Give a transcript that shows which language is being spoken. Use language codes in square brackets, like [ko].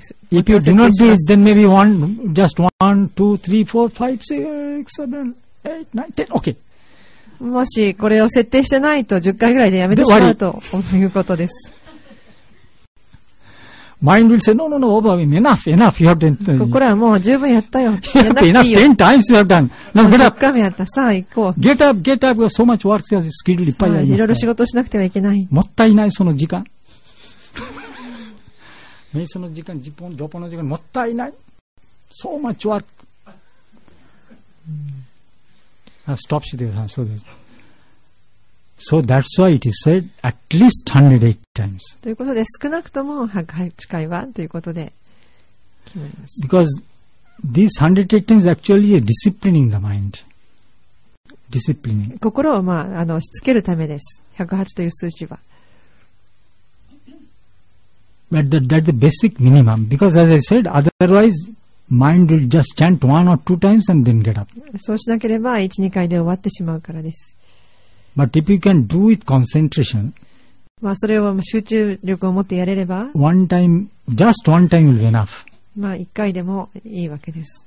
[en] If you do not do it, then maybe one, just 1, 2, 3, 4, 5, 6, 7, 8, 9, 10, okay. [ja] もしこれを設定してないと10回ぐらいでやめてしまうということです。 [en] Mind will say, no, no, no, overwhelm, enough, enough, you have done. [ja] ここらはもう十分やったよ。 [en] enough, ten times you have done. Now get up. [ja] 10回目やった。さあ行こう。 [en] Get up, so much work, you have skilled, [ja] いっぱいありますから。いろいろ仕事しなくてはいけない。もったいない、その時間。瞑想の時間、ジョポの時間、もったいない。 [en] So much work. [ja] Stop してください。そうです。 [en] So that's why it is said at least 108 times. [ja] ということで少なくとも108回はということで決まります。 [en] Because these 108 times actually are disciplining the mind. Disciplining. [ja] 心をまあ、しつけるためです。 108という数字は。 [en] But that's the basic minimum. Because as I said, otherwise mind will just chant one or two times and then get up. [ja] そうしなければ 1,2 回で終わってしまうからです。 [en] But if you can do it concentration, [ja] まあそれを集中力を持ってやれれば、 [en] one time, just one time will be enough. [ja] まあ一回でもいいわけです。